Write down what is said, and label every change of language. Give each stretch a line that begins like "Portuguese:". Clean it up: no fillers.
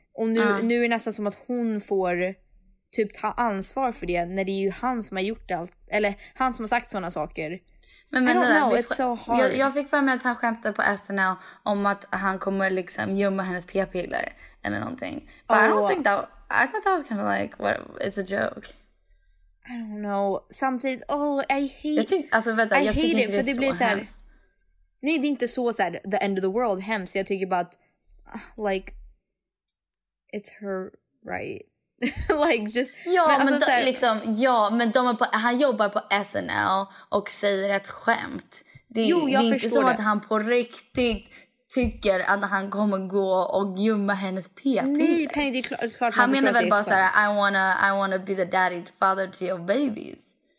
Swedish: Och nu är det nästan som att hon får typ ta ansvar för det när det är ju han som har gjort allt, eller han som har sagt sådana saker. Men
English: I don't know, it's so hard.
Swedish: Jag fick för mig att han skämtade på SNL om att han kommer liksom gömma hennes p-piller eller någonting.
English: But oh. I thought that was kind of like, what, it's a joke. I don't know.
Swedish: Samtidigt, jag tycker inte det är så hemskt. Nej, det är inte så såhär
English: the end of the world
Swedish: hemskt. Jag tycker bara att,
English: like, it's her right. Like, just,
Swedish: ja, men alltså, såhär, liksom, ja, men de är på, han jobbar på SNL och säger ett skämt. Det är inte så att han på riktigt tycker att han kommer gå och gömma hennes p-piller. Nej, Penny, det är klart. Han menar väl bara såhär,
English: I wanna be the daddy father to your babies.